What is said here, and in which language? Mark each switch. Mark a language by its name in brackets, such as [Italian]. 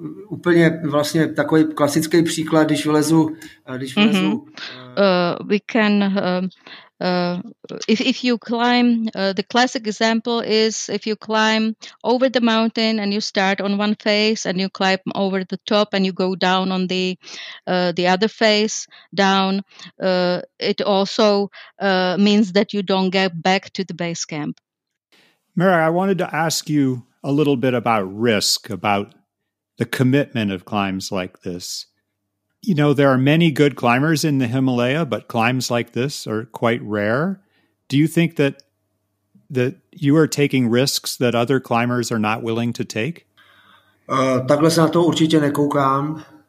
[Czech] Úplně vlastně takový klasický příklad, když vylezu mm-hmm. [English] We can if you climb the classic example is if you climb over the mountain and you start on one face and you climb over the top and you go down on the other face down, it also means that you don't get back to the base camp. Mary, I wanted to ask you a little bit about risk, about the commitment of climbs like this. You know, there are many good climbers in the Himalaya, but climbs like this are quite rare. Do you think that you are taking risks that other climbers are not willing to take? [Czech] Takhle se na to určitě nekoukám.